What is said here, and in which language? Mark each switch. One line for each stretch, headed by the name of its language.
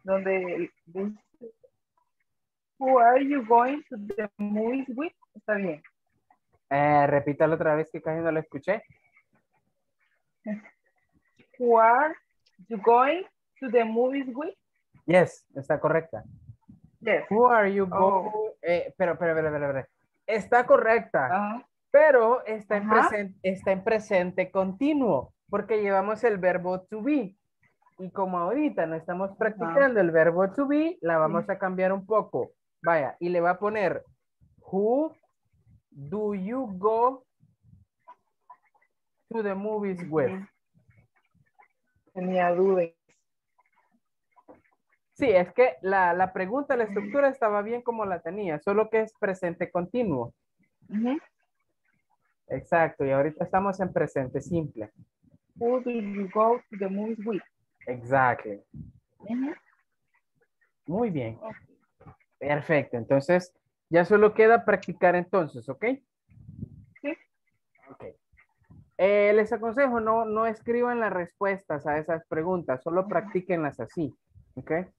Spanish: Donde dice,
English: who are you going to the movies with?
Spanish: Está bien. Repítalo otra vez que casi no lo escuché.
English: Who are you going to the movies with?
Spanish: Yes, está correcta.
English: Yes. Who are you going?
Spanish: Pero. Está correcta, uh-huh. Pero está, uh-huh, está en presente continuo, porque llevamos el verbo to be. Y como ahorita no estamos practicando, uh-huh, el verbo to be, la vamos, uh-huh, a cambiar un poco. Vaya, y le va a poner,
English: who do you go to the movies, uh-huh, with?
Spanish: Tenía duda. Sí, es que la pregunta, la estructura estaba bien como la tenía, solo que es presente continuo. Uh-huh. Exacto, y ahorita estamos en presente simple.
English: Who do you go to the movies with?
Spanish: Exacto. Uh-huh. Muy bien. Okay. Perfecto, entonces ya solo queda practicar entonces, ¿ok? Sí. Ok. Les aconsejo, no escriban las respuestas a esas preguntas, solo practíquenlas así, ¿ok?